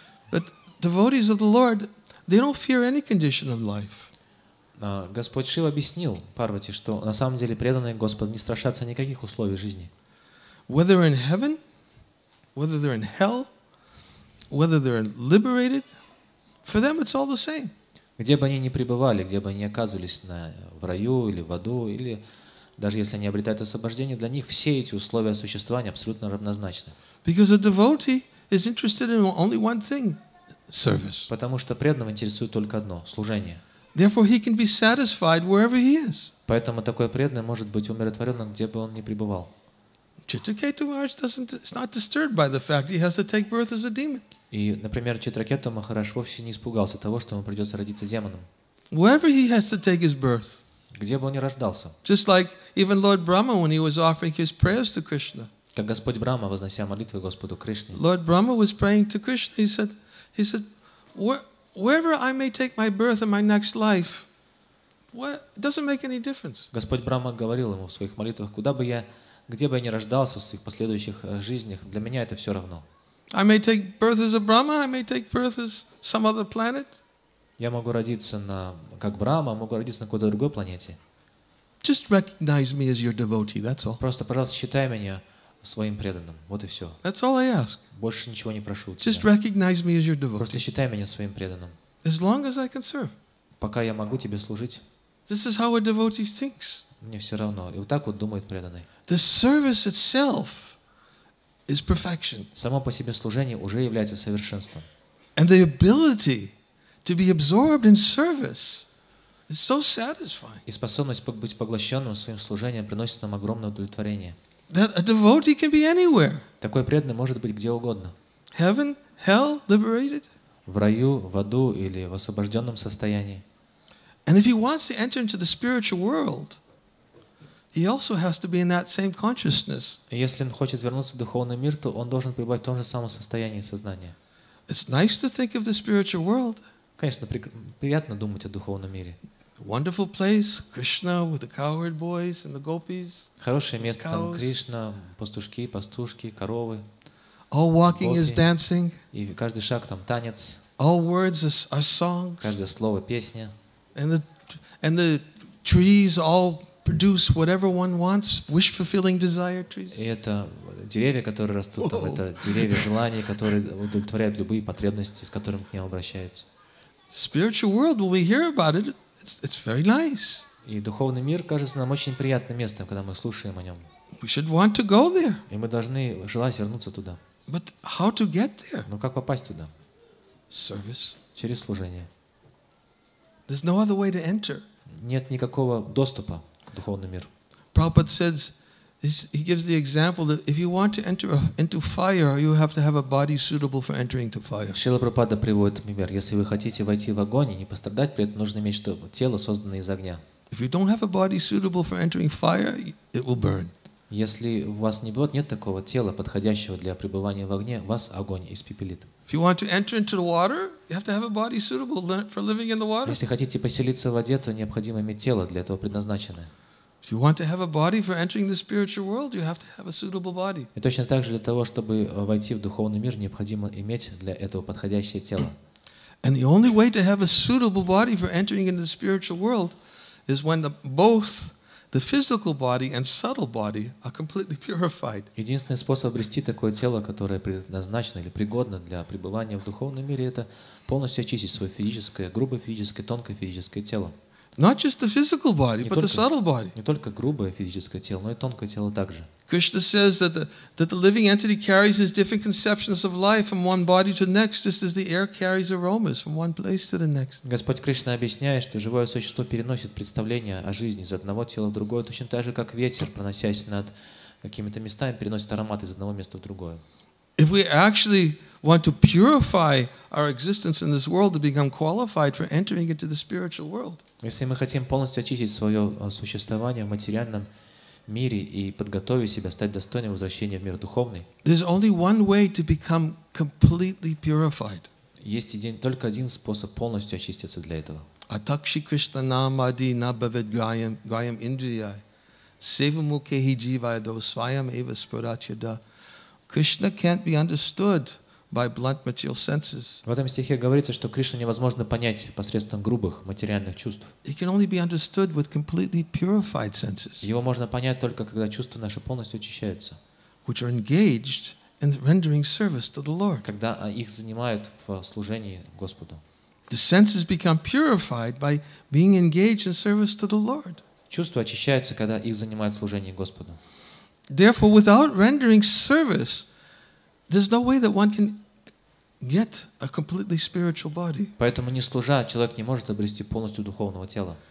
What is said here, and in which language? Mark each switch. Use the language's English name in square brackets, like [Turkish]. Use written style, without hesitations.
[English] But devotees of the Lord, they don't fear any condition of life. [Russian] Господь Шива объяснил Парвати, что на самом деле преданные Господу не страшатся никаких условий жизни. [English] Whether in heaven, whether they're in hell, whether they're liberated, for them it's all the same. [Russian] Где бы они ни пребывали, где бы они ни оказывались, в раю или в аду, или даже если они обретают освобождение, для них все эти условия существования абсолютно равнозначны. [English] Because a devotee is interested in only one thing, service. [Russian] Потому что преданного интересует только одно – служение. [English] Therefore, he can be satisfied wherever he is. [Russian] Поэтому такой преданный может быть умиротворенным, где бы он ни пребывал. [English] Читракету Махарадж is not disturbed by the fact he has to take birth as a demon. [Russian] И, например, Читракету Махарадж вовсе не испугался того, что ему придется родиться демоном. [English] Wherever he has to take his birth. [Russian] Где бы он ни рождался. [English] Just like even Lord Brahma when he was offering his prayers to Krishna. [Russian] Как Господь Брама, вознося молитвы Господу Кришне. [English] Lord Brahma was praying to Krishna. He said, wherever I may take my birth in my next life, it doesn't make any difference. [Russian] Господь Брама говорил ему в своих молитвах, где бы я ни рождался в своих последующих жизнях, для меня это все равно. [English] I may take birth as a Brahma, I may take birth as some other planet. [Russian] Я могу родиться как Брама, могу родиться на какой-то другой планете. [English] Just recognize me as your devotee, that's all. [Russian] Просто, пожалуйста, считай меня своим преданным. Вот и все. [English] That's all I ask. [Russian] Больше ничего не прошу. [English] Just recognize me as your devotee. [Russian] Просто считай меня своим преданным. [English] As long as I can serve. [Russian] Пока я могу тебе служить. [English] This is how a devotee thinks. [Russian] Мне все равно. И вот так вот думает преданный. [English] The service itself is perfection. [Russian] Само по себе служение уже является совершенством. [English] And the ability to be absorbed in service is so satisfying. [Russian] И способность быть поглощенным своим служением приносит нам огромное удовлетворение. [English] That a devotee can be anywhere. [Russian] Такой преданный может быть где угодно. [English] Heaven, hell, liberated. [Russian] В раю, в аду или в освобожденном состоянии. [English] And if he wants to enter into the spiritual world, he also has to be in that same consciousness. [Russian] Если он хочет вернуться в духовный мир, то он должен пребывать в том же самом состоянии сознания. [English] It's nice to think of the spiritual world. [Russian] Конечно, приятно думать о духовном мире. [English] Wonderful place, Krishna with the cowherd boys and the gopis. [Russian] Хорошее место там, Кришна, пастушки, пастушки, коровы. [English] All walking is dancing. [Russian] И каждый шаг там танец. [English] All words are songs. [Russian] Каждое слово песня. [English] And the trees all produce whatever one wants, wish fulfilling desire trees. [Russian] И это деревья, которые растут там, это деревья желаний, которые удовлетворяют любые потребности, с которыми к ним обращаются. [English] Spiritual world, will we hear about it? It's very nice. [Russian] И духовный мир кажется нам очень приятным местом, когда мы слушаем о нем. [English] We should want to go there. [Russian] И мы должны желать вернуться туда. [English] But how to get there? [Russian] Но как попасть туда? [English] Service. [Russian] Через служение. [English] There's no other way to enter. [Russian] Нет никакого доступа к духовному миру. [English] Prabhupada says, he gives the example that if you want to enter into fire, you have to have a body suitable for entering to fire. [Russian] Шрила Прабхупада приводит пример: если вы хотите войти в огонь и не пострадать, при этом нужно иметь чтобы тело созданное из огня. [English] If you don't have a body suitable for entering fire, it will burn. [Russian] Если у вас не будет нет такого тела подходящего для пребывания в огне, вас огонь испепелит. [English] If you want to enter into the water, you have to have a body suitable for living in the water. [Russian] Если хотите поселиться в воде, то необходимо иметь тело для этого предназначенное. [English] If you want to have a body for entering the spiritual world, you have to have a suitable body. [Russian] И точно так же для того, чтобы войти в духовный мир, необходимо иметь для этого подходящее тело. [English] And the only way to have a suitable body for entering into the spiritual world is when both the physical body and subtle body are completely purified. [Russian] Единственный способ обрести такое тело, которое предназначено или пригодно для пребывания в духовном мире, это полностью очистить свое физическое, грубое физическое, тонкое физическое тело. [English] Not just the physical body, but the subtle body. [Russian] Не только грубое физическое тело, но и тонкое тело также. [English] Krishna says that the living entity carries his different conceptions of life from one body to the next, just as the air carries aromas from one place to the next. [Russian] Господь Кришна объясняет, что живое существо переносит представления о жизни из одного тела в другое, точно так же, как ветер, проносясь над какими-то местами, переносит аромат из одного места в другое. [English] If we actually want to purify our existence in this world to become qualified for entering into the spiritual world. [Russian] Если мы хотим полностью очистить свое существование в материальном мире и подготовить себя, стать достойным возвращения в мир духовный. [English] There's only one way to become completely purified. [Russian] Есть только один способ полностью очиститься для этого. [Sanskrit] Атакши Кришна намади набавед гаям гаям индрия севамукхи живая до свайам ива спрачяда. [English] Krishna can't be understood by blunt material senses. [Russian] В этом стихе говорится, что Кришну невозможно понять посредством грубых материальных чувств. [English] He can only be understood with completely purified senses. [Russian] Его можно понять только когда чувства наши полностью очищаются. [English] Which are engaged in rendering service to the Lord. [Russian] Когда их занимают в служении Господу. [English] The senses become purified by being engaged in service to the Lord. [Russian] Чувства очищаются, когда их занимают в служении Господу. [English] Therefore, without rendering service, there's no way that one can get a completely spiritual body. [Russian] Поэтому не служа, человек не может обрести полностью духовного тела.